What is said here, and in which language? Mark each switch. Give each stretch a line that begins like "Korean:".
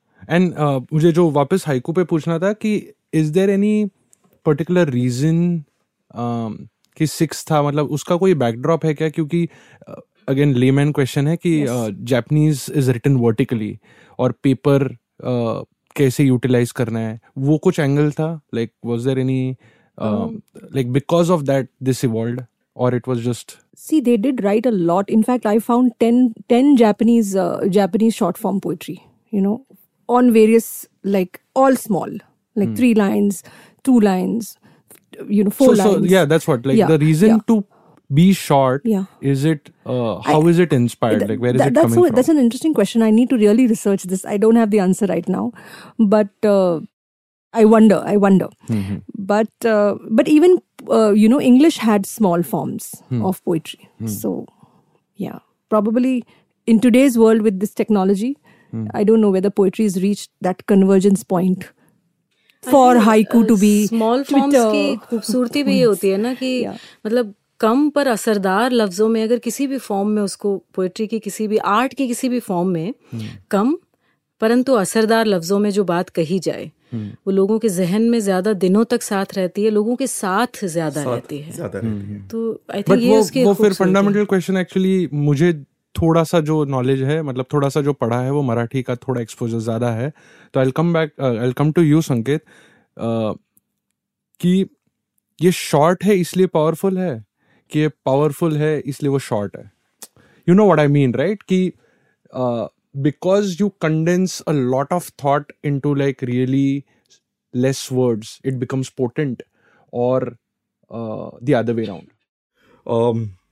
Hindi: And मुझे जो वापस हाइकू पे पूछना था कि
English: is there any particular reason
Hindi: कि सिक्स था, मतलब उसका कोई बैकड्रॉप है क्या, क्योंकि अगेन लेमैन क्वेश्चन है कि
English: Japanese is written vertically
Hindi: और पेपर कैसे यूटिलाइज करना है, वो कुछ एंगल था,
English: Like was there any like because of that this evolved, or it was just... See, they did write a lot. In fact, I found 10 Japanese Japanese short form poetry, you know, on various, like, all small, like three lines, two lines, you know, four lines. So, yeah, that's what, like, the reason to be short, is it, how is it inspired? Like, where is it that's coming from? That's an interesting question. I need to really research this. I don't have the answer right now, but I wonder. Mm-hmm. But even... you know, English had small forms of poetry. Hmm. So, yeah, probably in today's world with this technology, I don't know whether poetry has reached that convergence point for haiku to be small Twitter. Forms.
Hindi: की खूबसूरती भी ये होती है ना कि मतलब कम पर असरदार लफ्जों में अगर किसी भी फॉर्म में उसको पोएट्री की किसी भी आर्ट की किसी भी फॉर्म में कम परंतु असरदार लफ्जों में जो बात कही जाए वो लोगों के जहन में ज्यादा दिनों तक साथ रहती है, लोगों के साथ ज्यादा रहती है. तो
English: I think
Hindi: ये उसके वो फिर फंडामेंटल क्वेश्चन एक्चुअली मुझे थोड़ा सा जो नॉलेज है मतलब थोड़ा सा जो पढ़ा है वो मराठी का थोड़ा एक्सपोजर ज्यादा है. तो
English: I will come back, I will come to you
Hindi: संकेत, कि ये शॉर्ट है इसलिए पावरफुल है, कि ये पावरफुल है इसलिए वो शॉर्ट है,
English: You know what I mean, right? कि because you condense a lot of thought into like really less words, it becomes potent, or the other way around.